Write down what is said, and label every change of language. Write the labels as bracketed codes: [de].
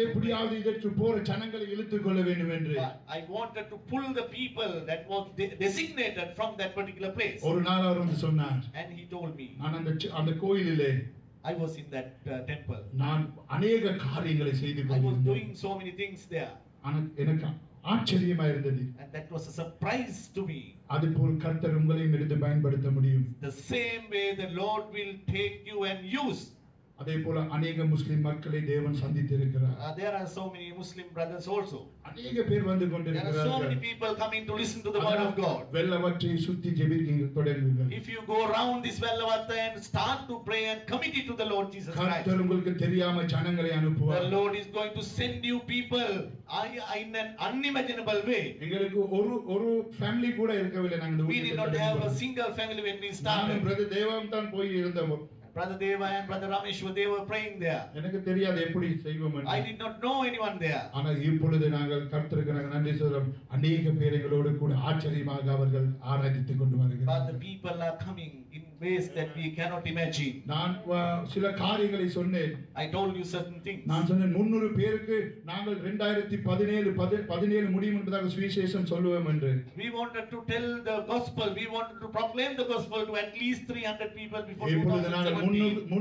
[ta] எப்படியாவது இதற்கு போற ஜனங்களை இழுத்துக் கொள்ள வேண்டும் என்று. [en] I wanted to pull the people that was designated from that particular place. [ta] ஒரு நாள் அவர் வந்து சொன்னார். [en] And he told me. [ta] நான் அந்த கோயிலிலே [en] I was in that temple. [ta] நான் அநேக காரியங்களை செய்து கொண்டிருந்தேன். [en] I was doing so many things there. [ta] எனக்கு ஆச்சரியமா இருந்தது. [en] And that was a surprise to me. [ta] அதுபோல் கர்த்தர் உங்களையும் எடுத்து பயன்படுத்த முடியும். [en] The same way the Lord will take you and use. [ta] அதே போல அநேக முஸ்லிம் மக்களை தேவன் சந்தித்திருக்கிறார். [en] There are so many Muslim brothers also. [ta] அநேக பேர் வந்து கொண்டிருக்கிறார்கள். [en] There are so many people coming to listen to the word of God. [ta] Wellawatte சுத்தி ஜெபிக்கிங்க தொடங்குங்கள். [en] If you go around this Wellawatta and start to pray and commit it to the Lord Jesus Christ. [ta] கர்த்தர் உங்களுக்கு தெரியாம ஜனங்களை அனுப்புவார். [en] The Lord is going to send you people in an unimaginable way. [ta] எங்களுக்கு ஒரு ஒரு ஃபேமிலி கூட இருக்கவில்லை. [en] We did not have a single family when we started. [ta] Brother தேவன் தான் போய் இருந்தோம். [en] Brother Deva and Brother Ramesh, they were praying there. [ta] எனக்கு தெரியாது எப்படி செய்வோம் என்று. [en] I did not know anyone there. [ta] ஆனால் இப்பொழுது நாங்கள் கர்த்தருக்கு நன்றி செலுத்துறோம். அநேக பேர்களோடு கூட ஆச்சரியமாக அவர்கள் ஆராதித்துக் கொண்டு வருகிறார்கள். [en] But the people are coming in ways that we cannot imagine. [ta] நான் சில காரியங்களை சொன்னேன். [en] I told you certain things. [ta] நான் சொன்னேன் 300 பேருக்கு நாங்கள் 2017 முடியும் என்பதாக சுவிசேஷம் சொல்லுவோம் என்று. [en] We wanted to tell the gospel. We wanted to proclaim the gospel to at least 300 people before 2017.